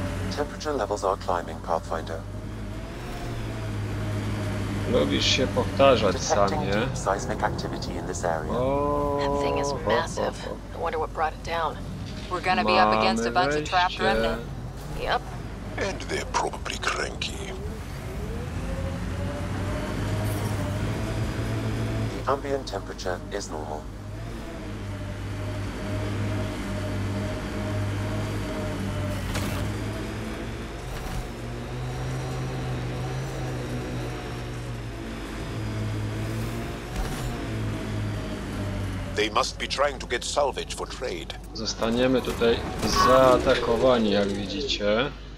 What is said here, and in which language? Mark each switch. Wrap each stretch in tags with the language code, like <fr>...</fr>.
<en>Temperature levels are climbing, Pathfinder.</en> <pl>Lubisz się powtarzać sam, nie?</pl> <en>Seismic activity in this area. That thing is massive. I wonder what brought it down. We're gonna be up against a bunch of trapped remnant. Yep. And they're probably cranky. The ambient temperature is normal. They must be trying to get salvage for trade.</en> <pl>Zostaniemy tutaj zaatakowani, jak widzicie.</pl>